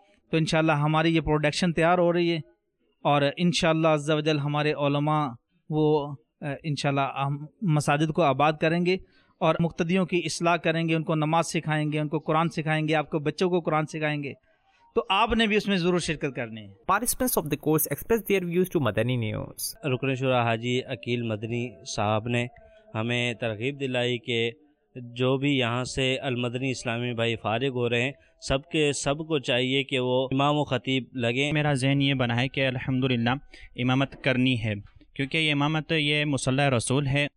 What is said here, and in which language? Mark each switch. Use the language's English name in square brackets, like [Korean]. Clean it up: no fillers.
[Urdu] تو انشاءاللہ ہماری یہ پروڈکشن تیار ہو رہی ہے، اور انشاءاللہ عز و جل ہمارے علماء وہ انشاءاللہ ہم مساجد کو آباد کریں گے، اور مقتدیوں کی اصلاح کریں گے، ان کو نماز سکھائیں گے، ان کو قرآن سکھائیں گے، آپ کے بچوں کو قرآن سکھائیں گے، تو آپ نے بھی اس میں ضرور شرکت کرنی ہے۔ [English] Participants of the course express their views to Madani News. [Urdu] رکن شورا حاجی عقیل مدنی صاحب نے ہمیں ترغیب دلائی کہ جو بھی یہاں سے المدنی اسلامی بھائی فارغ ہو رہے ہیں، سب کو چاہیے کہ وہ امام و خطیب لگیں۔ میرا ذہن یہ بنا ہے کہ الحمدللہ امامت کرنی ہے، کیونکہ یہ امامت یہ مصلی رسول ہے۔